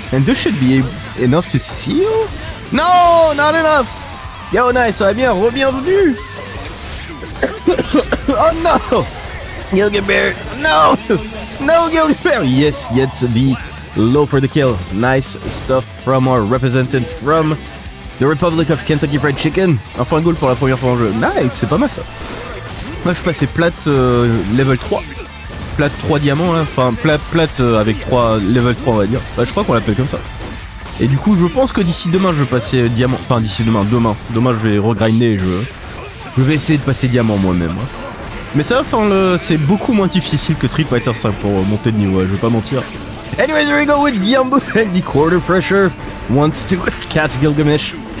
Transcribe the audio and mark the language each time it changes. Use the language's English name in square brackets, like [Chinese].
[English] And this should be enough to seal? No, not enough. Yo, nice. [French] So, bienvenue. [English] Oh, no. Gilgamesh. No. No, Gilgamesh. Yes, gets the low for the kill. Nice stuff from our representative from the Republic of Kentucky Fried Chicken. [French] Enfin, goal pour la première fois en jeu. Nice, c'est pas mal, ça. Moi, je suis passé plate level 3. Plate 3 diamants, hein. Enfin plate avec 3 level 3 on va dire. Bah, je crois qu'on l'appelle comme ça. Et du coup je pense que d'ici demain je vais passer diamant. Enfin d'ici demain, demain. Demain je vais regrinder et je vais essayer de passer diamant moi-même. Hein. Mais ça, enfin c'est beaucoup moins difficile que Street Fighter 5 pour monter de niveau, ouais, je vais pas mentir. [English] Anyways, here we go with Gyanbu and the quarter pressure wants to catch Gilgamesh.